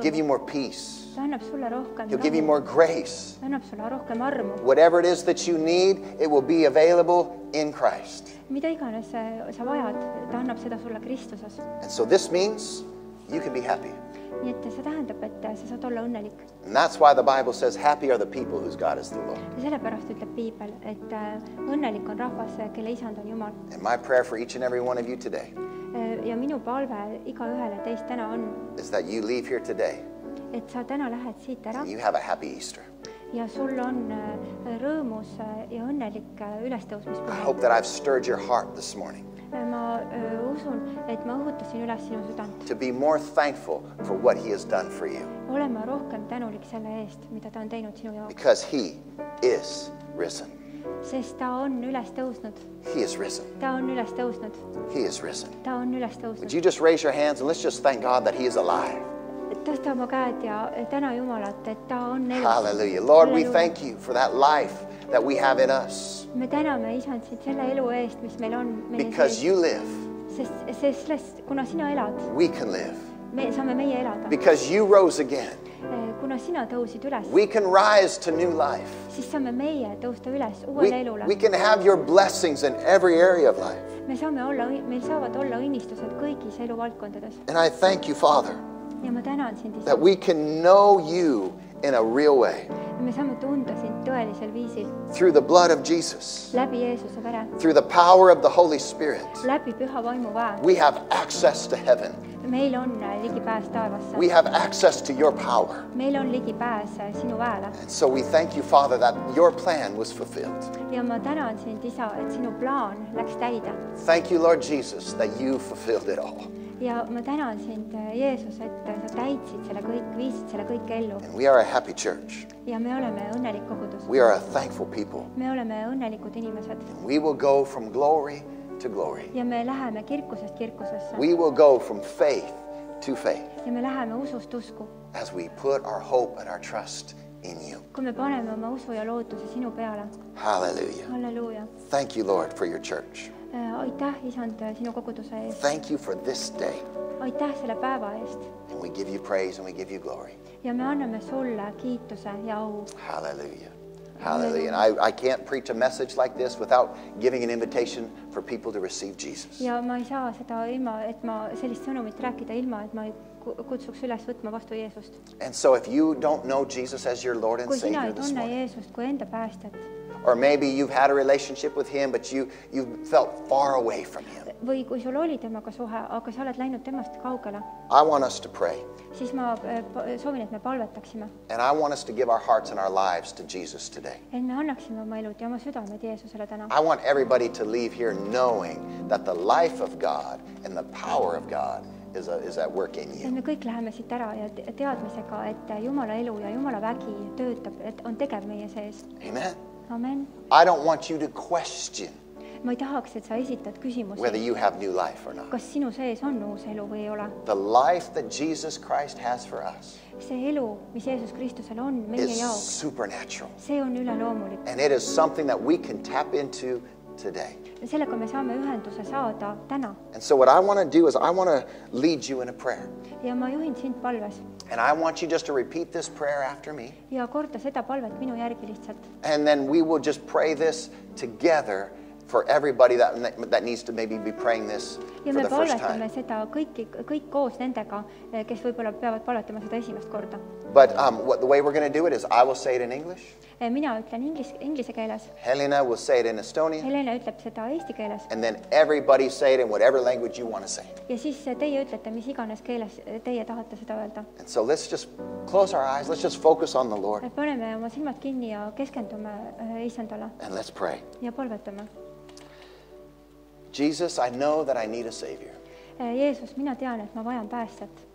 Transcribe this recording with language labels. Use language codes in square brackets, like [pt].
[en] He'll give you more peace. [et] Ta annab sulle rohkem rõõmu. [en] Give you more grace. [et] Ta annab sulle rohkem armu. [en] Whatever it is that you need, it will be available in Christ. [et] Mida iganes sa vajad, ta annab seda sulle Kristuses. [en] And so this means you can be happy. [et] Nii et see tähendab, et sa saad olla õnnelik. [en] And that's why the Bible says, happy are the people whose God is the Lord. [et] Ja sellepärast ütleb Piibel, et õnnelik on rahvas, kelle isand on Jumal. [en] And my prayer for each and every one of you today. [et] Ja minu palve iga ühele teist täna on. [en] Is that you leave here today. [et] Et sa täna lähed siit ära. [en] And you have a happy Easter. [et] Ja sul on rõõmus ja õnnelik ülestõusmispühade. [en] I hope that I've stirred your heart this morning. [et] Ma usun, et ma õhutasin üles sinu südant. [en] To be more thankful for what he has done for you. [et] Olema rohkem tänulik selle eest, mida ta on teinud sinu jaoks. [en] Because he is risen. [et] Sest ta on üles tõusnud. [en] He is risen. [et] Ta on üles tõusnud. [en] He is risen. [et] Ta on üles tõusnud. [en] Would you just raise your hands and let's just thank God that he is alive. [et] Tõsta oma käed ja täna Jumalat, et ta on elus. [en] Hallelujah. Lord, we thank you for that life that we have in us. [et] Me täname isand siit selle elu eest, mis meil on. [en] Because you live. [et] Sest kuna sina elad. [en] We can live. [et] me saame meie elada. [en] Because you rose again. [et] Kuna sina tõusid üles. [en] We can rise to new life. [et] Siis saame meie tõusta üles uuele elule. [en] We can have your blessings in every area of life. [et] Me saame olla, meil saavad olla õnnistused kõigis eluvaldkondades. [en] And I thank you, Father. [et] Ja ma tänan sind, [en] that we can know you in a real way. [et] Me saame tunda sind tõelisel viisil. [en] Through the blood of Jesus. [et] Läbi Jeesuse vere. [en] Through the power of the Holy Spirit. [et] Läbi püha vaimu vaa. [en] We have access to heaven. [et] Meil on ligipääs taevasse. [en] We have access to your power. [et] Meil on ligipääs sinu väele. [en] And so we thank you, Father, that your plan was fulfilled. [et] Ja ma tänan sind, Isa, et sinu plaan läks täide. [en] Thank you, Lord Jesus, that you fulfilled it all. [et] Ja ma tänan sind, Jeesus, et sa täitsid selle kõik, viisid selle kõik ellu. [en] And we are a happy church. [et] Ja me oleme õnnelik kogudus. [en] We are a thankful people. [et] Me oleme õnnelikud inimesed. [en] And we will go from glory to glory. [et] Ja me läheme kirkusest kirkusesse. [en] We will go from faith to faith. [et] Ja me läheme usust usku. [en] As we put our hope and our trust in you. [et] Kui me paneme oma usu ja lootuse sinu peale. [en] Hallelujah. [et] Hallelujah. [en] Thank you, Lord, for your church. [et] Aitäh, Isand, sinu koguduse eest. [en] Thank you for this day. [et] Aitäh selle päeva eest. [en] And we give you praise and we give you glory. [et] Ja me anname sulle kiituse ja au. [en] Hallelujah. Hallelujah. And I can't preach a message like this without giving an invitation for people to receive Jesus. [et] Ja ma ei saa seda ilma, et ma sellist sõnumit rääkida ilma, et ma kutsuks üles võtma vastu Jeesust. [en] And so if you don't know Jesus as your Lord and Savior this morning, [et] Jeesust kui enda päästjat, [en] or maybe you've had a relationship with him, but you felt far away from him. [et] Või kui sul oli temaga suhe, aga sa oled läinud temast kaugele. [en] I want us to pray. [et] Siis ma soovin, et me palvetaksime. [en] And I want us to give our hearts and our lives to Jesus today. [et] Et me annaksime oma elud ja oma südamed Jeesusele täna. [en] I want everybody to leave here knowing that the life of God and the power of God is at work in you. [et] Et me kõik läheme siit ära ja teadmisega, et Jumala elu ja Jumala vägi töötab, et on tegev meie sees. [en] Amen. [et] Amen. [en] I don't want you to question [et] ma ei tahaks, et sa esitad küsimuse, [en] whether you have new life or not. [et] Kas sinu sees on uus elu või ei ole? [en] The life that Jesus Christ has for us, [et] see elu, mis Jeesus Kristusel on meie [en] is [et] jaoks, [en] supernatural. [et] See on üleloomulik. [en] And it is something that we can tap into today. [et] Sellega me saame ühenduse saada täna. [en] And so what I want to do is I want to lead you in a prayer. [et] Ja ma juhin sind palves. [en] And I want you just to repeat this prayer after me. [et] Ja korda seda palvet minu järgi lihtsalt. [en] And then we will just pray this together for everybody that needs to maybe be praying this [et] ja [en] for the first time. [et] Ja me palvetame seda kõik koos nendega, kes võib-olla peavad palvetama seda esimest korda. [en] But the way we're going to do it is I will say it in English. [et] Mina ütlen inglise keeles. [en] Helena will say it in Estonian. [et] Helena ütleb seda eesti keeles. [en] And then everybody say it in whatever language you want to say. [et] Ja siis teie ütlete, mis iganes keeles teie tahate seda öelda. [en] And so let's just close our eyes. Let's just focus on the Lord. [et] Paneme oma silmad kinni ja keskendume Issandale. [en] And let's pray. [et] Ja palvetame. [en] Jesus, I know that I need a Savior. [et] Jeesus, mina tean, et ma vajan päästet.